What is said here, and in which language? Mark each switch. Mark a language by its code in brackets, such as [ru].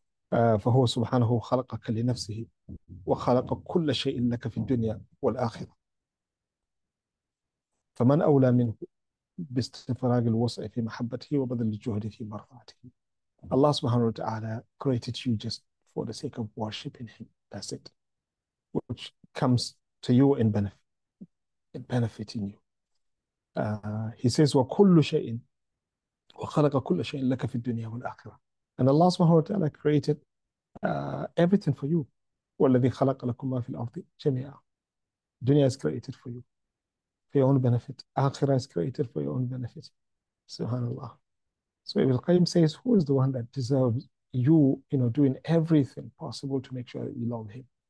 [ar] فهو سبحانه خلقك لنفسه وخلق كل شيء لك في الدنيا والآخرة. فمن أولى منه باستفراغ الوسع في محبته وبذل الجهد في مرضاته. [en] Allah subhanahu wa ta'ala created you just for the sake of worshipping Him. That's it. Which comes to you in benefiting you. He says, [ar] وَكُلُّ شَيْءٍ وَخَلَقَ كُلَّ شَيْءٍ لَكَ فِي الدُّنْيَا وَالْآخِرَةِ. [en] And Allah subhanahu wa ta'ala created everything for you. [ar] وَالَّذِي خَلَقَ لَكُمْ مَا فِي الْأَرْضِ جَمِيعًا. [en] Dunya is created for you, for your own benefit. Akhirah is created for your own benefit. Subhanallah. So Ibn Qayyim says, who is the one that deserves you, you know, doing everything possible to make sure that you love Him?